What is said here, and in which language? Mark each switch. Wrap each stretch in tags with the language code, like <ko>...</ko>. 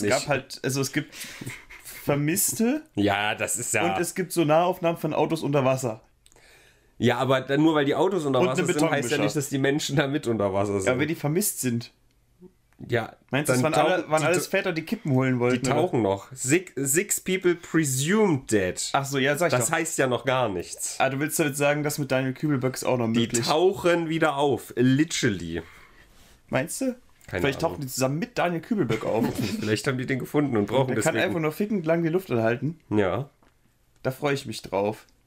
<de>nicht. Es gibt... Vermisste. Ja, das ist ja... Und es gibt so Nahaufnahmen von Autos unter Wasser. Ja, aber dann nur weil die Autos unter Wasser sind, heißt ja nicht, dass die Menschen da mit unter Wasser sind. Ja, wenn die vermisst sind. Ja. Meinst du, es waren alles Väter, die Kippen holen wollten? Die tauchen oder? Noch.</de> <en>Six people presumed dead.</en> <de>Ach so, ja, sag ich das doch. Das heißt ja noch gar nichts. Ah, du willst damit sagen, dass mit Daniel Kübelböck auch noch möglich? Die tauchen wieder auf. Literally. Meinst du? Keine Vielleicht Ahnung. Tauchen die zusammen mit Daniel Kübelböck auf. Vielleicht haben die den gefunden und brauchen deswegen. Kann einfach nur fickend lang die Luft anhalten. Ja. Da freue ich mich drauf.</de>